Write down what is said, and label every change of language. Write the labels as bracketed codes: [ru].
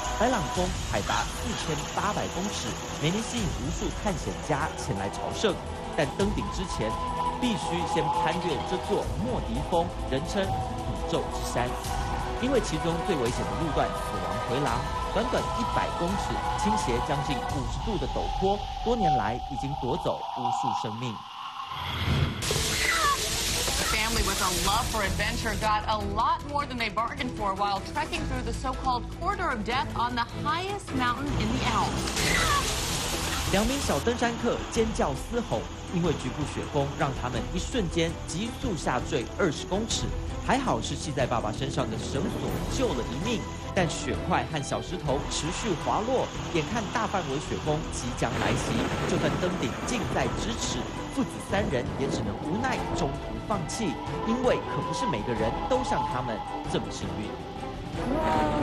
[zh] 白朗峰海拔4800公尺，每年吸引无数探险家前来朝圣，但登顶之前必须先攀越这座莫迪峰，人称宇宙之山，因为其中最危险的路段死亡回廊，短短100公尺倾斜将近50度的陡坡，多年来已经夺走无数生命。 [en] With a love for adventure got a lot more than they bargained for while trekking through the so-called corridor of death on the highest mountain in the Alps. [zh] 两名小登山客尖叫嘶吼，因为局部雪崩让他们一瞬间急速下坠20公尺，还好是系在爸爸身上的绳索救了一命，但雪块和小石头持续滑落，眼看大范围雪崩即将来袭，就算登顶近在咫尺，父子三人也只能无奈中途放弃，因为可不是每个人都像他们这么幸运。